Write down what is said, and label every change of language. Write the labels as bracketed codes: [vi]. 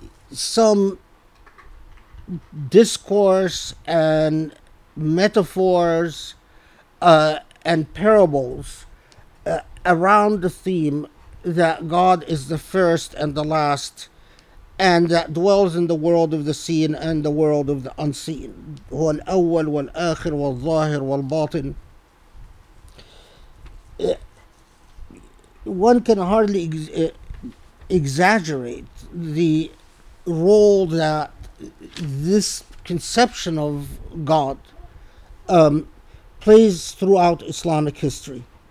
[en] some discourse and metaphors and parables around the theme that God is the first and the last, and that dwells in the world of the seen and the world of the unseen. [ar] هو الأول والآخر والظاهر والباطن. [en] One can hardly exaggerate the role that this conception of God plays throughout Islamic history.